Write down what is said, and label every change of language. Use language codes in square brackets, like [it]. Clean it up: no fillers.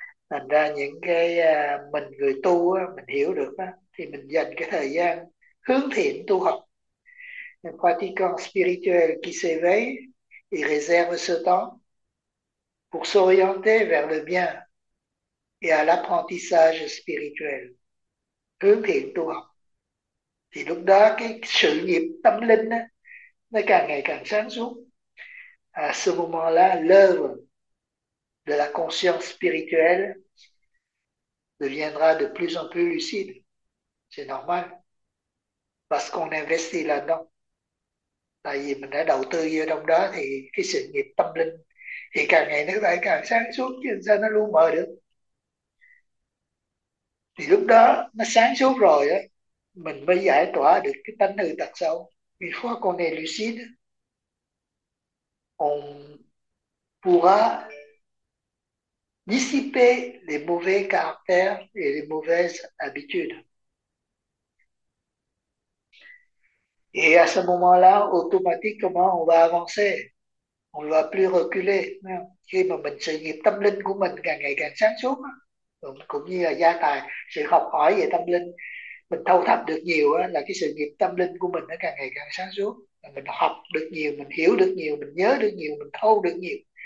[vi] Thành ra những cái mình người tu á, mình hiểu được á, thì mình dành cái thời gian hướng thiện tu học, [fr] un pratiquant spirituel qui s'éveille et réserve ce temps pour s'orienter vers le bien et à l'apprentissage spirituel. [vi] Hướng thiện tu học. Thì lúc đó cái sự nghiệp tâm linh á, nó càng ngày càng sáng suốt. [fr] À ce moment-là, l'œuvre de la conscience spirituelle deviendra de plus en plus lucide. C'est normal. Parce qu'on investit là-dedans. [vi] Tại vì mình đã đầu tư vô trong đó thì cái sự nghiệp tâm linh thì càng ngày nó lại càng sáng suốt chứ sao nó lu mờ được. Thì lúc đó nó sáng suốt rồi á, mình mới giải tỏa được cái tánh hư tật sâu. [fr] Une fois qu'on est lucide, on pourra dissiper les mauvais caractères et les mauvaises habitudes. Et à ce moment-là, automatiquement, on va avancer. On ne va plus reculer. [vi] Khi mà mình sự nghiệp tâm linh của mình càng ngày càng sáng suốt, cũng như là gia tài, sự học hỏi về tâm linh, mình thâu thập được nhiều là cái sự nghiệp tâm linh của mình nó càng ngày càng sáng suốt. Mình học được nhiều, mình hiểu được nhiều, mình nhớ được nhiều, mình thâu được nhiều.